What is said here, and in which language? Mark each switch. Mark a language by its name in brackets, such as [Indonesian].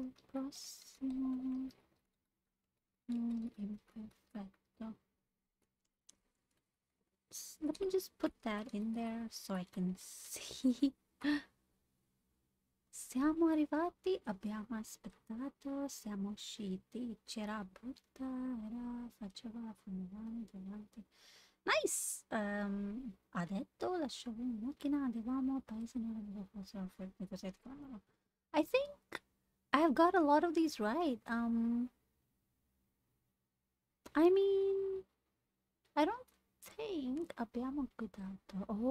[Italian] Prossimo imperfetto. [English] Let me just put that in there so I can see. [Italian] Siamo arrivati, abbiamo aspettato, siamo usciti, c'era brutta, era, faceva, fumavamo, davanti. [English] Nice! [Italian] Ha detto, lasciavo in macchina, andavamo a paese, non avevo forse la fortuna. [English] I think I've got a lot of these right. I mean, I don't think [Italian] abbiamo guidato.